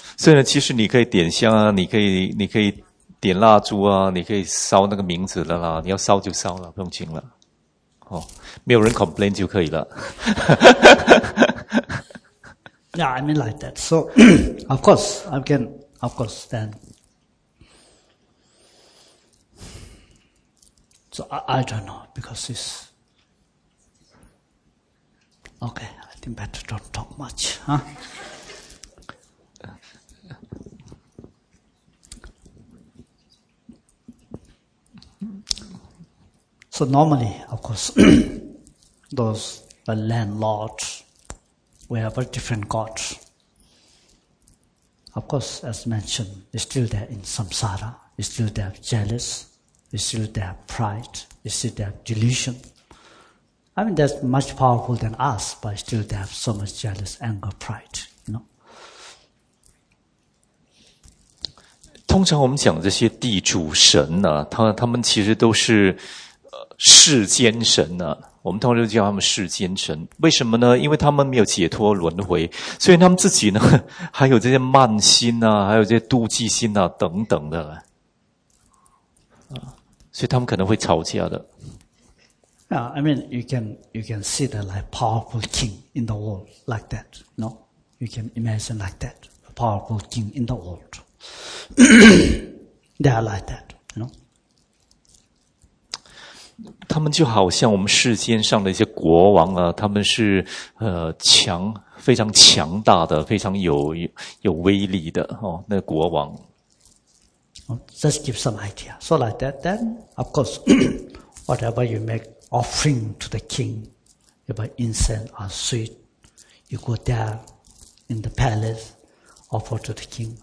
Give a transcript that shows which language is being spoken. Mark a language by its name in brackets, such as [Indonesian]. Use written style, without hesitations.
[Chinese] 所以呢,其实你可以点香啊, 你可以点蜡烛啊, 你可以烧那个名字的啦, 你要烧就烧了, 不用请了。哦, 没有人complain就可以了。 [English] Yeah, I mean like that. So, of course, I can, of course, then. So, I don't know, because it's, okay, I think better don't talk much, huh? So normally, of course, those the landlords, we have a different god. Of course, as mentioned, they're still there in samsara, we still have jealous, we still have pride, we still have delusion. I mean, that's much powerful than us, but still they have so much jealous, anger, pride, you know. [Chinese] 通常我们讲这些地主神呢、啊、他们其实都是世间神呢、啊。我们通常就叫他们世间神，为什么呢？因为他们没有解脱轮回，所以他们自己呢还有这些慢心啊，还有这些妒忌心啊等等的，所以他们可能会吵架的。 [English] I mean, you can see that like powerful king in the world like that, no? You can imagine like that, a powerful king in the world. They are like that, no? [Chinese] 他们就好像我们世间上的一些国王啊，他们是强，非常强大的，非常有威力的哦，那国王。 [English] Just give some idea. So like that, then of course, whatever you make. Offering to the king, about incense or sweet, you go there in the palace, offer to the king.